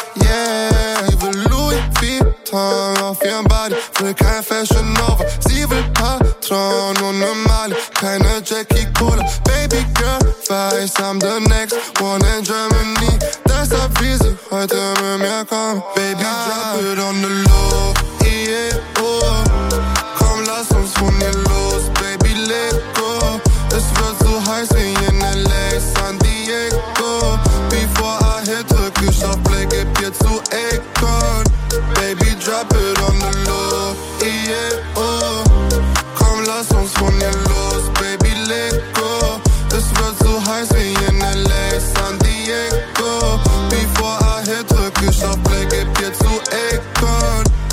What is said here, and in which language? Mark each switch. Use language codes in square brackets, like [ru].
[de] Yeah, sie will Louis Vuitton auf ihrem Body. Will kein Fashion Nova, sie will Patron und eine Mali. Keine [en] Jackie Cola, Baby Girl, [de] weiß, [en] I'm the next one in Germany. [de] Deshalb will sie heute mit mir kommen. [en] Baby, drop it on the low, yeah, oh. [de] Komm, lass uns von hier los, [en] baby, let go. [de] Es wird so heiß wie in L.A., San Diego. Bevor [en] I hit, [de] drück ich auf Play, gib dir zu Akon. [en] Baby, drop it on the low, yeah, oh. [de] Komm, lass uns von hier los, [en] baby, let go. [de] Es wird so heiß wie in L.A., San Diego. Bevor [en] I hit, [de] drück ich auf Play, gib dir zu Akon.